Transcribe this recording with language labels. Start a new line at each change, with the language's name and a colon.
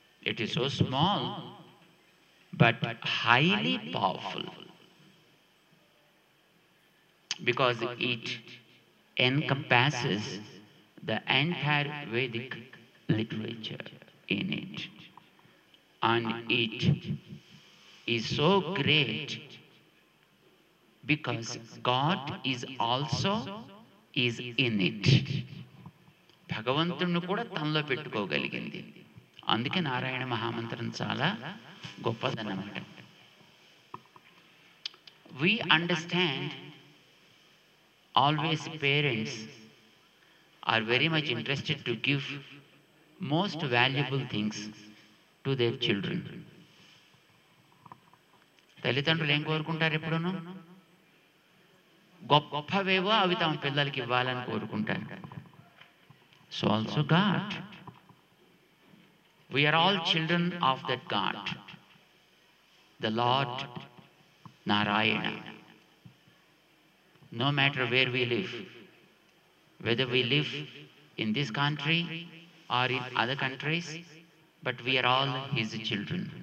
English: It is so small but highly powerful because it encompasses the entire Vedic literature in it, and it is so great because God is also is in it.
Telugu: భగవంతుడిని కూడా తనలో పెట్టుకోగలిగింది. అందుకే నారాయణ మహామంత్రం చాలా గొప్పదన్నమాట.
English: We understand always parents are very much interested to give most valuable things to their children.
Telugu: తల్లిదండ్రులు ఏం కోరుకుంటారు ఎప్పుడూ? గొప్పవేవో అవి తమ పిల్లలకి ఇవ్వాలని కోరుకుంటారు.
English: So also God. We are all children of that God, the Lord Narayana. No matter where we live, whether we live in this country or in other countries, but we are all His children.